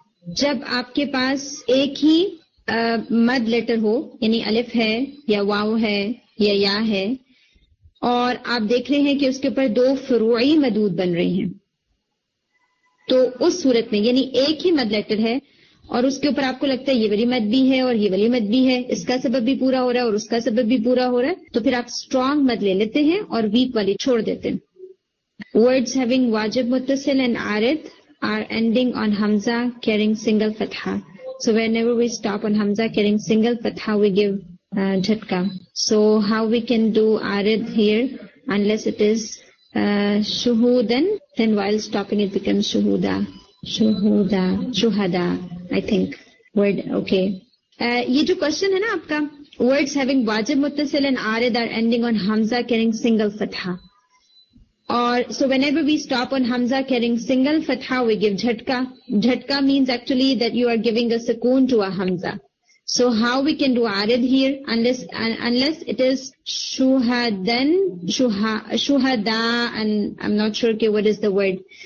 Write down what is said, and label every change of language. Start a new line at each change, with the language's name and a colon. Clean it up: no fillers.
Urdu: جب آپ کے پاس ایک ہی مد لیٹر ہو, یعنی الف ہے یا واؤ ہے یا ہے, اور آپ دیکھ رہے ہیں کہ اس کے اوپر دو فروعی مدود بن رہے ہیں, تو اس صورت میں, یعنی ایک ہی مد لیٹر ہے اور اس کے اوپر آپ کو لگتا ہے یہ ولیمت بھی ہے اور یہ ولیمت بھی ہے, اس کا سبب بھی پورا ہو رہا ہے اور اس کا سبب بھی پورا ہو رہا ہے, تو پھر آپ اسٹرانگ مد لے لیتے ہیں اور ویک والی چھوڑ دیتے ہیں.
English: Words having واجب متصل and عارض are ending on حمزہ carrying single فتحہ. So whenever we stop on حمزہ carrying single فتحہ we give جھٹکا. So how we can do عارض here unless it is شہودن, then while stopping it becomes شہودہ. شہودہ, شہدہ, I think. Word, okay.
Urdu: یہ جو question ہے نا آپ کا,
English: words having واجب متصل and عارض are ending on حمزہ carrying single فتحہ. Or, so whenever we stop on Hamza carrying single fatha, we give jhatka. Jhatka means actually that you are giving a sukoon to a Hamza. So how we can do arid here, unless it is shuhadan, shuhada, and I'm not sure ke what is the word.